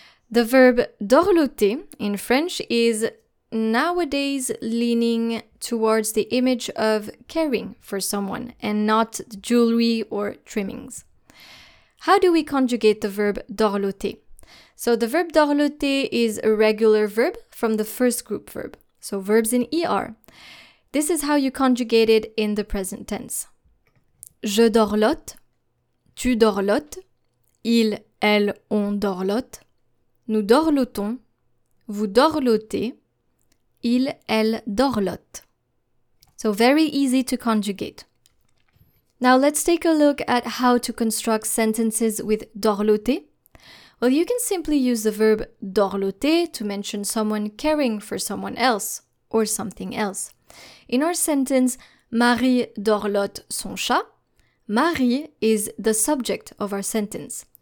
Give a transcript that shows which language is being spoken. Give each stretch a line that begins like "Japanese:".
English: The verb dorloter in French is nowadays leaning towards the image of caring for someone and not jewelry or trimmings. How do we conjugate the verb dorloter? So the verb dorloter is a regular verb from the first group verb, so verbs in ER. This is how you conjugate it in the present tense.
French: Je dorlote, tu dorlotes, il, elle, on dorlote, nous dorlotons, vous dorlotez, il, elle dorlote.
English: So very easy to conjugate. Now let's take a look at how to construct sentences with dorloter. Well, you can simply use the verb dorloter to mention someone caring for someone else or something else. In our sentence,
French: Marie dorlote son chat,
English: Marie is the subject of our sentence.